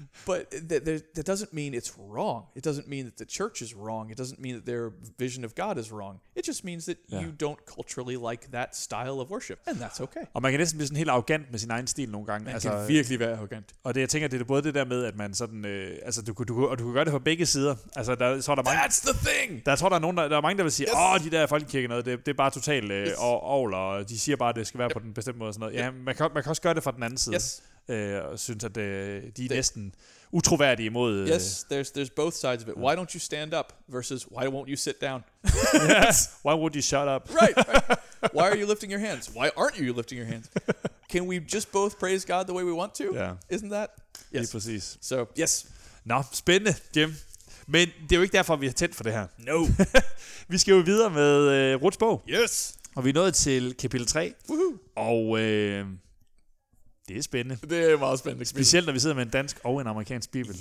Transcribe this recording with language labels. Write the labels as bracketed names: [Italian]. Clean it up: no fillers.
[English] But that doesn't mean it's wrong. It doesn't mean that the church is wrong. It doesn't mean that their vision of God is wrong. It just means that you don't culturally like that style of worship. And that's okay. [Danish] Og man kan næsten blive sådan helt arrogant med sin egen stil nogle gange. Man kan virkelig være arrogant. Og det, jeg tænker, det er både det der med, at man sådan... du kan gøre det på begge sider. Altså, der mange, [English] that's the thing! [Danish] Der er mange, der vil sige, åh, de der folkekirke noget, det er bare totalt ovl, og de siger bare, at det skal være på den bestemte måde. Og sådan noget. Ja, man kan også gøre det fra den anden side. [English] Yes. [Danish] Og synes, at de er næsten utroværdige imod... [English] Yes, there's both sides of it. Why don't you stand up versus why won't you sit down? Why won't you shut up? Right. Why are you lifting your hands? Why aren't you lifting your hands? Can we just both praise God the way we want to? Yeah. Isn't that? Yes. [Danish] Lige præcis. [English] So, yes. [Danish] Nå, spændende, Jim. Men det er jo ikke derfor, vi er tændt for det her. [English] No. [Danish] Vi skal jo videre med Ruths bog. [English] Yes. [Danish] Og vi er nået til kapitel 3. Woohoo. Og... det er spændende. Det er meget spændende. Specielt, når vi sidder med en dansk og en amerikansk bibel.